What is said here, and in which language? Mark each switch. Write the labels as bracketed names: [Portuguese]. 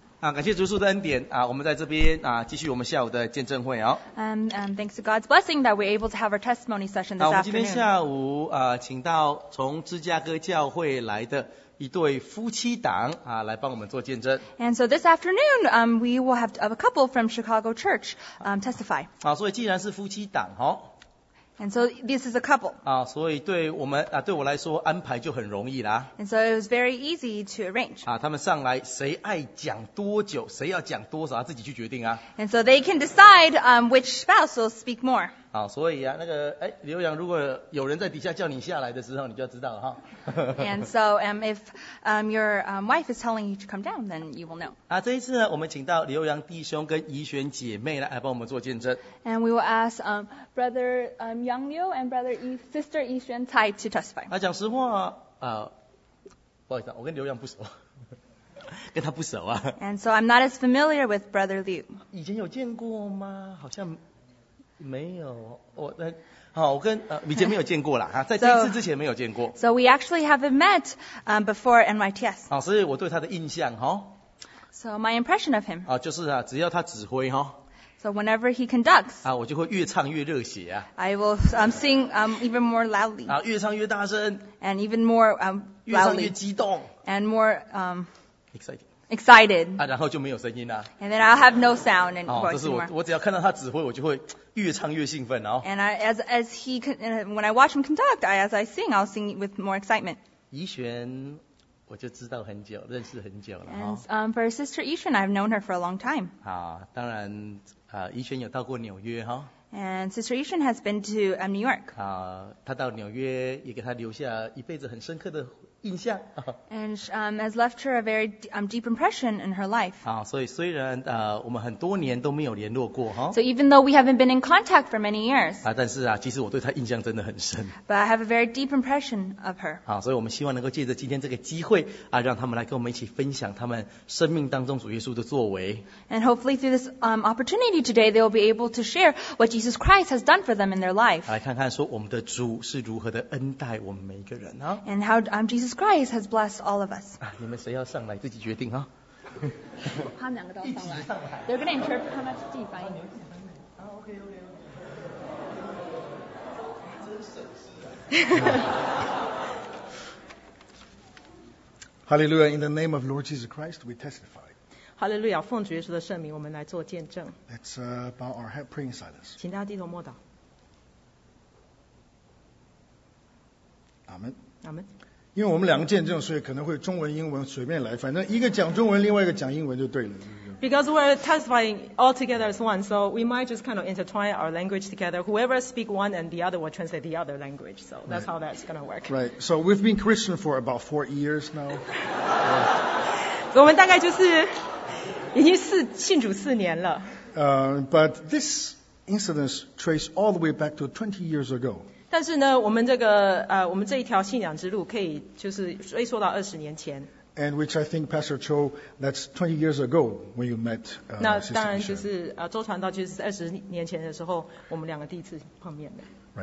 [Chinese] 啊，感谢主赐的恩典啊，我们在这边啊，继续我们下午的见证会啊。 [English] Thanks to God's blessing that we're able to have our testimony session this afternoon. [Chinese] 我们今天下午啊，请到从芝加哥教会来的一对夫妻档啊，来帮我们做见证。 [English] And so this afternoon, we will have a couple from Chicago Church, testify. [Chinese] 啊，所以既然是夫妻档哦。 [English] And so this is a couple. [Chinese] 啊，所以对我们啊，对我来说安排就很容易啦。 [English] And so it was very easy to arrange. [Chinese] 啊，他们上来谁爱讲多久，谁要讲多少，自己去决定啊。 [English] And so they can decide which spouse will speak more. [Chinese] 啊，所以啊，那个哎，刘洋，如果有人在底下叫你下来的时候，你就知道了哈。 [English] And so if your wife is telling you to come down, then you will know. [Chinese] 啊，这一次呢，我们请到刘洋弟兄跟怡璇姐妹来帮我们做见证。 [English] And we will ask brother Yang Liu and brother sister Yixuan Cai to testify. [Chinese] 啊，讲实话，不好意思，我跟刘洋不熟，跟他不熟啊。 [English] And so I'm not as familiar with brother Liu. [Chinese] 以前有见过吗？好像没有。好，我跟以前没有见过啦，在这一次之前没有见过。 [English] So we actually haven't met before NYTS. [Chinese] 啊，所以我对他的印象哈。 [English] So my impression of him. [Chinese] 啊，就是啊，只要他指挥哈。 [English] So whenever he conducts, [Chinese] 啊，我就会越唱越热血啊。 [English] I will sing even more loudly. [Chinese] 啊，越唱越大声。 [English] And even more loudly. [Chinese] 越唱越激动。 [English] And more excited. Excited. [Chinese] 啊，然后就没有声音啦。 [English] And then I'll have no sound and [Chinese] voice. 哦，这是我只要看到他指挥，我就会越唱越兴奋哦。 [English] And I, as he when I watch him conduct, as I sing, I'll sing with more excitement. [Chinese] 怡璇，我就知道很久，认识很久了。 [English] And for sister Yixuan, I've known her for a long time. [Chinese] 啊，当然啊，怡璇有到过纽约哈。 [English] And sister Yixuan has been to New York. [Chinese] 啊，她到纽约也给她留下一辈子很深刻的印象。 [English] And has left her a very deep impression in her life. [Chinese] 啊，所以虽然我们很多年都没有联络过哈。 [English] So even though we haven't been in contact for many years. [Chinese] 啊，但是啊，其实我对她印象真的很深。 [English] But I have a very deep impression of her. [Chinese] 啊，所以我们希望能够借着今天这个机会啊，让他们来跟我们一起分享他们生命当中主耶稣的作为。 [English] And hopefully through this opportunity today, they will be able to share what Jesus Christ has done for them in their life. [Chinese] 来看看说我们的主是如何的恩待我们每一个人啊。 [English] And how Jesus Christ has blessed all of us. [Chinese] 啊，你们谁要上来自己决定啊。他们两个都上来。 [English] They're going to interpret how much deep I am. Okay. Hallelujah. In the name of Lord Jesus Christ, we testify. Hallelujah. [Chinese] 奉主耶稣的圣名，我们来做见证。 [English] Let's bow our head, pray in silence. [Chinese] 请大家低头默祷。阿门。阿门。因为我们两个见证，所以可能会中文、英文随便来，反正一个讲中文，另外一个讲英文就对了。 [English] Because we're testifying all together as one, so we might just kind of intertwine our language together. Whoever speaks one and the other will translate the other language. So that's how that's going to work. Right. So we've been Christian for about 4 years now. [Chinese] 我们大概就是已经是信主四年了。 [English] But this incident traced all the way back to 20 years ago. [Chinese] 但是呢，我们这个我们这一条信仰之路可以就是追溯到二十年前。 [English] And which I think Pastor Cho, that's 20 years ago when you met. [Chinese] 那当然就是周传道就是二十年前的时候，我们两个第一次碰面的。